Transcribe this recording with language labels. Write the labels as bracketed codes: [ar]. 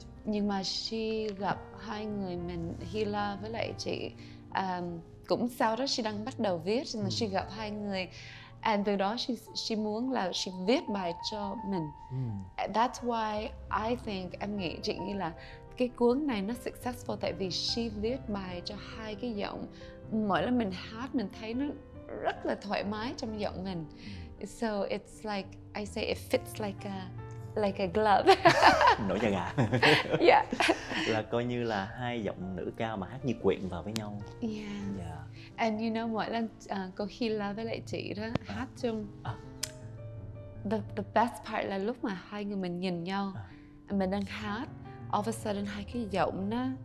[vi] Nhưng mà khi gặp hai người mình, Hila với lại chị, cũng sau đó she đang bắt đầu viết, nhưng mà she gặp hai người and từ đó she muốn là she viết bài cho mình. [en] That's why I think, [vi] em nghĩ, chị nghĩ là cái cuốn này nó successful tại vì she viết bài cho hai cái giọng. Mỗi lần mình hát mình thấy nó rất là thoải mái trong giọng mình. [en] So it's like I say it fits like a glove. [vi] Nổi da gà. Yeah. Là coi như là hai giọng nữ cao mà hát như quyện vào với nhau. Yeah. Yeah. [en] And you know, [vi] mỗi lần cô Hila với lại chị đó hát chung, [en] the best part [vi] là lúc mà hai người mình nhìn nhau, mình đang hát, [en] all of a sudden [vi] hai cái giọng nó